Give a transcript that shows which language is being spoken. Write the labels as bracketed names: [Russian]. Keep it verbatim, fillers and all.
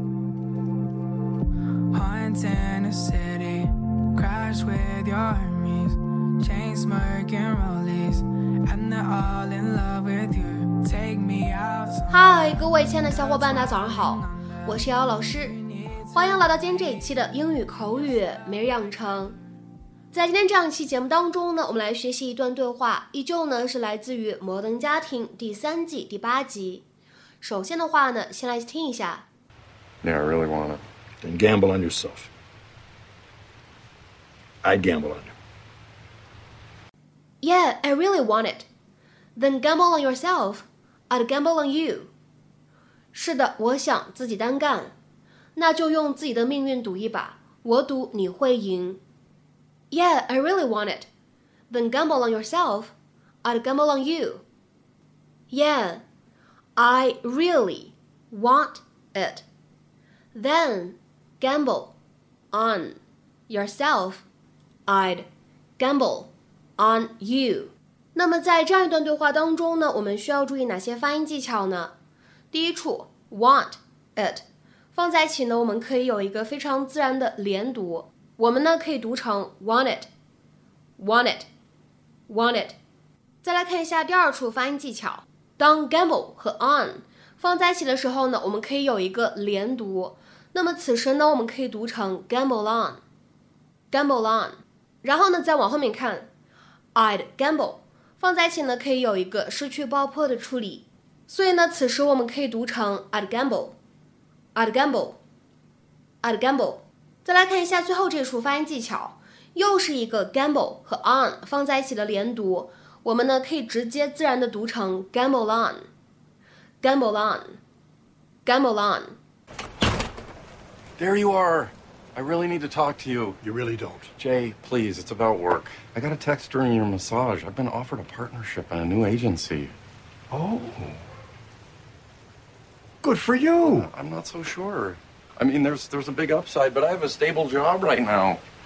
[English] Apartments in a city, crash with your Hermes, chain smoking rollies, and they're all in love with you. Take me out. [Chinese] 嗨，各位亲爱的小伙伴，大家早上好，我是瑶瑶老师，欢迎来到今天这一期的英语口语每日养成。在今天这样一期节目当中呢，我们来学习一段对话，依旧呢是来自于《摩登家庭》第三季第八集。首先的话呢，先来听一下。 [English] Yeah, I really want it. Then gamble on yourself. I'd gamble on you. Yeah, I really want it. Then gamble on yourself. I'd gamble on you. [Chinese] 是的，我想自己单干，那就用自己的命运赌一把，我赌你会赢。 [English] Yeah, I really want it. Then gamble on yourself. I'd gamble on you. Yeah, I really want it. Then... Gamble on yourself, I'd gamble on you. [Chinese] 那么在这样一段对话当中呢，我们需要注意哪些发音技巧呢？第一处 [English] want it [Chinese] 放在一起呢，我们可以有一个非常自然的连读。我们呢可以读成 [English] want it, want it, want it. [Chinese] 再来看一下第二处发音技巧，当 gamble 和 on 放在一起的时候呢，我们可以有一个连读。那么此时呢，我们可以读成 [English] gamble on, gamble on。 [Chinese] 然后呢，再往后面看 ， [English] I'd gamble [Chinese] 放在一起呢，可以有一个失去爆破的处理。所以呢，此时我们可以读成 [English] I'd gamble, I'd gamble, I'd gamble。 [Chinese] 再来看一下最后这处发音技巧，又是一个 gamble 和 on 放在一起的连读。我们呢可以直接自然的读成 [English] gamble on, gamble on, gamble on。 There you are. I really need to talk to you. You really don't. Jay, please, it's about work. I got a text during your massage. I've been offered a partnership in a new agency. Oh. Good for you. I'm not so sure. I mean, there's, there's a big upside, but I have a stable job right now.